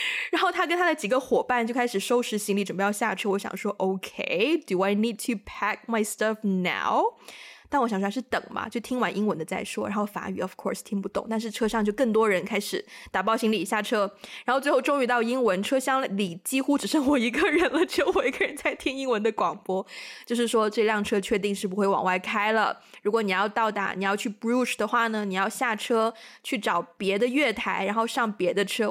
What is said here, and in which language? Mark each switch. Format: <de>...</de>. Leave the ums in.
<zh>然后他跟他的几个伙伴就开始收拾行李，准备要下车。我想说</zh> <en>o k do I need to pack my stuff now?</en> <zh>但我想说还是等嘛，就听完英文的再说。然后法语，</zh> <en>of course，</en> <zh>听不懂。但是车上就更多人开始打包行李下车。然后最后终于到英文车厢里几乎只剩我一个人了，只有我一个人在听英文的广播。就是说这辆车确定是不会往外开了。如果你要到达，你要去 b r 布鲁日的话呢，你要下车去找别的月台，然后上别的车。</zh>